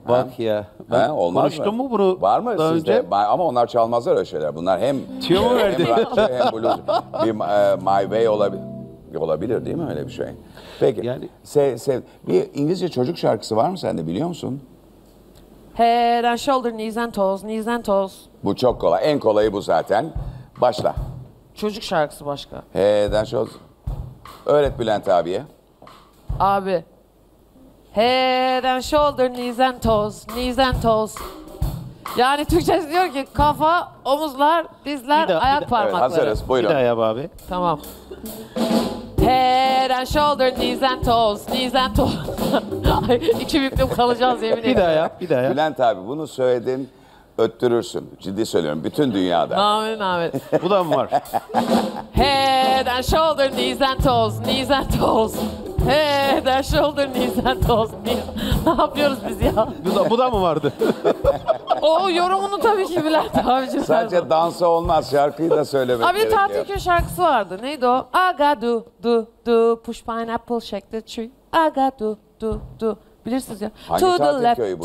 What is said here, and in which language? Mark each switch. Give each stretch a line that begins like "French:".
Turkish: Bak ha? Ya. Ha? Olmaz mı? Konuştun mu bunu? Var mı sizde? Önce... Ama onlar çalmazlar öyle şeyler. Bunlar hem... Tüyo mu verdi? Hem rakçı hem blues. Bir My Way olabilir değil mi öyle bir şey? Peki. Yani... Bir İngilizce çocuk şarkısı var mı sende biliyor musun?
English: Head and shoulder, knees and toes, knees and toes.
Turkish: Bu çok kolay. En kolayı bu zaten. Başla. Çocuk şarkısı başka.
English: Head and shoulder.
Turkish: Öğret Bülent abiye. Abi.
English: Head and shoulder, knees and toes, knees and toes.
Turkish: Yani Türkçesi diyor ki kafa, omuzlar, dizler, ayak parmakları. Evet, hazırız. Buyurun. Bir daha yap abi. Tamam.
English: Head and shoulders, knees and toes, knees and toes.
Turkish: İki büklüm kalacağız yemin ederim. Bir daha yap, bir daha yap. Bülent abi bunu söyledin, öttürürsün. Ciddi söylüyorum, bütün dünyada. Amin, amin. Bu da mı var?
English: Head and shoulders, knees and toes, knees and toes. Head and shoulders, knees and toes.
Turkish: Ne yapıyoruz biz ya? Bu da mı vardı? O yorumunu tabii ki Bülent abicim. Sadece dansa olmaz, şarkıyı da söylemek abi, gerekiyor. Abi Tatlıköy şarkısı vardı. Neydi o?
English: Aga du du du push pineapple shake the tree.
Turkish: Aga du du du. Bilirsiniz ya. Hangi
English: to the left,